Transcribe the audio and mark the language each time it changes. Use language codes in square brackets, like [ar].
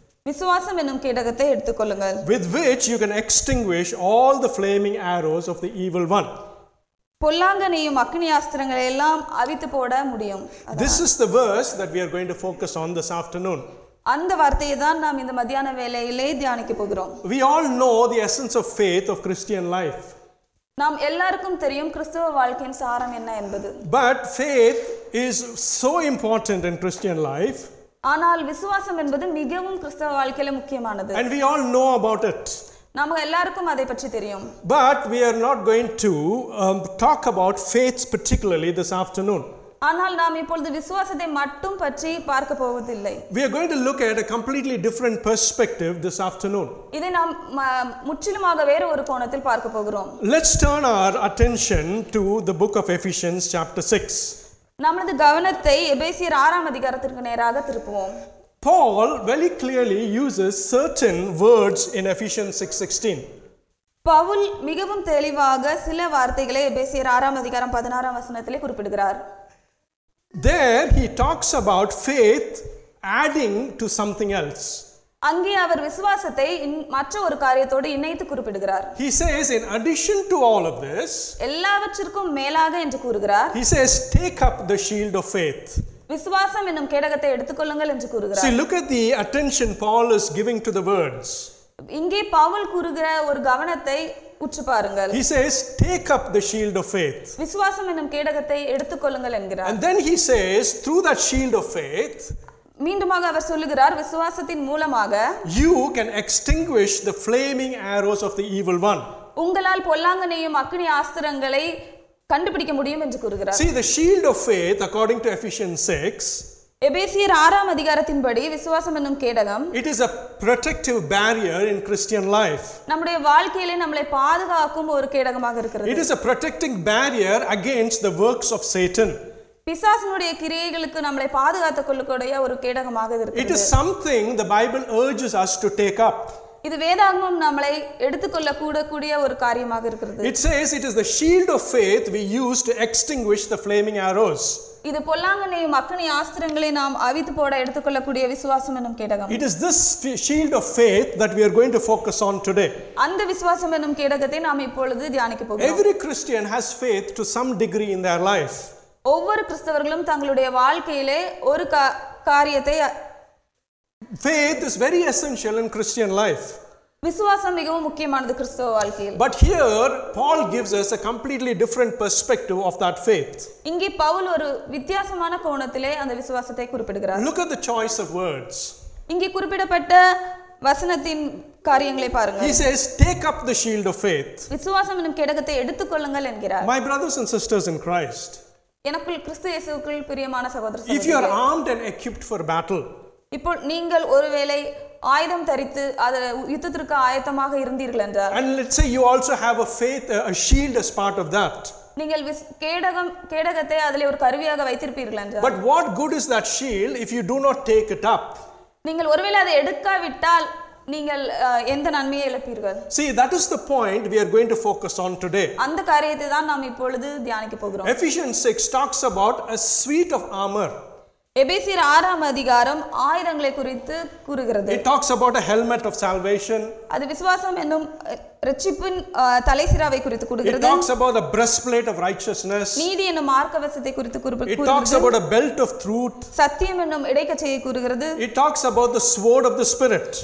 [ta] விசுவாசம் என்னும் கேடகத்தை எடுத்துக் கொள்ளுங்கள். [en] With which you can extinguish all the flaming arrows of the evil one. [ta] பொல்லாங்கனியும் அக்னியாஸ்திரங்களை எல்லாம் அழித்து போட முடியும். [en] This is the verse that we are going to focus on this afternoon. [ta] அந்த வார்த்தையை தான் நாம் இந்த மத்தியான வேளையிலே தியானிக்க போகிறோம். [en] We all know the essence of faith of Christian life. [ta] நாம் எல்லாருக்கும் தெரியும் கிறிஸ்தவ வாழ்க்கையின் சாரம் என்ன என்பது. [en] But faith is so important in Christian life. [ta] ஆனால் விசுவாசம் என்பது மிகவும் கிறிஸ்தவ வாழ்க்கையில முக்கியமானது. [en] And we all know about it. [ta] நாம எல்லாருக்கும் அதை பற்றி தெரியும். [en] But we are not going to talk about faith particularly this afternoon. [ta] ஆனால் நாம் இப்பொழுது விசுவாசத்தை மட்டும் பற்றி பார்க்க போவதில்லை. [en] We are going to look at a completely different perspective this afternoon. [ta] இதை நாம் முற்றிலுமாக வேறு ஒரு கோணத்தில் பார்க்க போகிறோம். [en] Let's turn our attention to the book of Ephesians chapter 6. [ta] நமது கவனத்தை எபேசியர் 6 அதிகாரத்திற்கு நேராக திருப்புவோம். [en] Paul very clearly uses certain words in Ephesians 6:16. [ta] Pavul மிகவும் தெளிவாக சில வார்த்தைகளை எபேசியர் 6 அதிகாரம் 16 வசனத்திலே குறிப்பிடுகிறார். [en] There he talks about faith adding to something else. [ta] அங்கே அவர் விசுவாசத்தை மற்ற ஒரு காரியத்தோடு இணைத்து குறிப்பிடுகிறார். [en] He says in addition to all of this, [ta] எல்லாவற்றிற்கும் மேலாக என்று கூறுகிறார். [en] He says take up the shield of faith. [ta] விசுவாசம் என்னும் கேடகத்தை எடுத்துக்கொள்ளுங்கள் என்று கூறுகிறார். [en] See, look at the attention Paul is giving to the words. [ta] இங்கே பவுல் கூறுகிற ஒரு கவனத்தை உற்று பாருங்கள். [en] He says take up the shield of faith. [ta] விசுவாசம் என்னும் கேடகத்தை எடுத்துக்கொள்ளுங்கள் என்கிறார். [en] And then he says through that shield of faith, [ta] மீண்டுமாக அவர் சொல்லுகிறார், விசுவாசத்தின் மூலமாக [en] you can extinguish the flaming arrows of the evil one. [ta] உங்களால் பொல்லாங்கனியும் அக்னி ஆஸ்திரங்களை கண்டுபிடிக்க முடியும் என்று கூறுகிறார். [en] See, the shield of faith according to Ephesians 6, [ta] எபேசியர் 6 அதிகாரத்தின்படி விசுவாசம் என்னும் கேடகம், [en] it is a protective barrier in Christian life. [ta] நம்முடைய வாழ்க்கையிலே நம்மை பாதுகாக்கும் ஒரு கேடகமாக இருக்கிறது. [en] It is a protecting barrier against the works of Satan. [ta] பிசாசினுடைய கிரியைகளுக்கு நம்மை பாதுகாத்துக் கொள்ளக்கூடிய ஒரு கேடகமாக இருக்கிறது. [en] It is something the Bible urges us to take up. [ta] இது வேதாகமம் நம்மை எடுத்துக்கொள்ள கூடிய ஒரு காரியமாக இருக்கிறது. [en] It says it is the shield of faith we use to extinguish the flaming arrows. [ta] இது பொல்லாங்கனி மக்கனி ஆஸ்திரங்களை நாம் அவித்து போட எடுத்துக்கொள்ளக்கூடிய விசுவாசம் என்னும் கேடகம். [en] It is this shield of faith that we are going to focus on today. [ta] அந்த விசுவாசம் என்னும் கேடகத்தை நாம் இப்பொழுது தியானிக்க போகிறோம். [en] Every Christian has faith to some degree in their life. [ta] ஒவ்வொரு கிறிஸ்தவர்களும் தங்களுடைய வாழ்க்கையிலே ஒரு காரியத்தை [en] faith is very essential in Christian life. [ta] விசுவாசம் மிகவும் முக்கியமானது கிறிஸ்தவ வாழ்க்கையில். [en] But here Paul gives us a completely different perspective of that faith. [ta] இங்கே பவுல் ஒரு வித்தியாசமான கோணத்திலே அந்த விசுவாசத்தை குறிப்பிடுகிறார். [en] Look at the choice of words. [ta] இங்கே குறிப்பிடப்பட்ட வசனத்தின் காரியங்களை பாருங்கள். [en] He says take up the shield of faith. [ta] விசுவாசம் என்னும் கேடகத்தை எடுத்துக்கொள்ளுங்கள் என்கிறார். [en] My brothers and sisters in Christ. [ta] எனக்குள் கிறிஸ்து இயேசுவுக்குள் பிரியமான சகோதர சகோதரி. [en] If you are armed and equipped for battle. [ta] இப்போ நீங்கள் ஒருவேளை ஆயுதம் தரித்து அதை யுத்தத்திற்கு ஆயத்தமாக இருந்தீர்கள் என்றால், [en] and let's say you also have a faith, a shield as part of that. [ta] நீங்கள் கேடகம் கேடகத்தை அதிலே ஒரு கருவியாக வைத்திருப்பீர்கள் என்றால், [en] but what good is that shield if you do not take it up? [ta] நீங்கள் ஒருவேளை அதை எடுக்காவிட்டால் நீங்கள் எந்த நன்மையை இழப்பீர்கள்? [en] See, that is the point we are going to focus on today. [ta] அந்த காரியத்தை தான் நாம் இப்பொழுது தியானிக்க போகிறோம். [en] Ephesians 6 talks about a suite of armor. [ta] எபேசியர் 6 அதிகாரம் ஆயுதங்களை குறித்து கூறுகிறது. [en] It talks about a helmet of salvation. [ta] அது விசுவாசம் என்னும் இரட்சிப்பின் தலைசிராவை குறித்து கூறுகிறது. [en] It talks about the breastplate of righteousness. [ta] நீதி என்னும் மார்க்கவசத்தை குறித்து கூறுகிறது. [en] It talks about a belt of truth. [ta] சத்தியம் என்னும் இடைக்கச்சையை கூறுகிறது. [en] It talks about the sword of the spirit.